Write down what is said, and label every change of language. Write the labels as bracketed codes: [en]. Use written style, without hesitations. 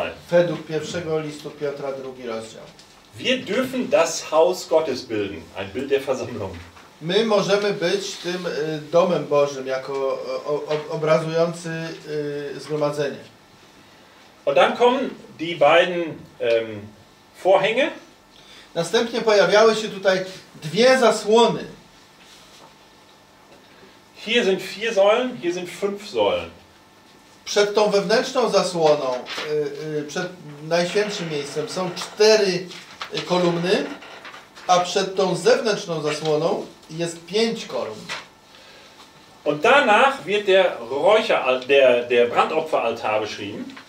[pl] Według pierwszego listu Piotra, drugi rozdział. [de] Wir dürfen das Haus Gottes bilden, ein Bild der Versammlung. [pl] My możemy być tym domem Bożym, jako obrazujący zgromadzenie. [de] Und dann kommen die beiden Vorhänge. [pl] Następnie pojawiały się tutaj dwie zasłony. [de] Hier sind vier Säulen, hier sind fünf Säulen. [pl] Przed tą wewnętrzną zasłoną, przed najświętszym miejscem są cztery kolumny, a przed tą zewnętrzną zasłoną jest pięć kolumn. [de] Und danach wird der der Brandopferaltar beschrieben.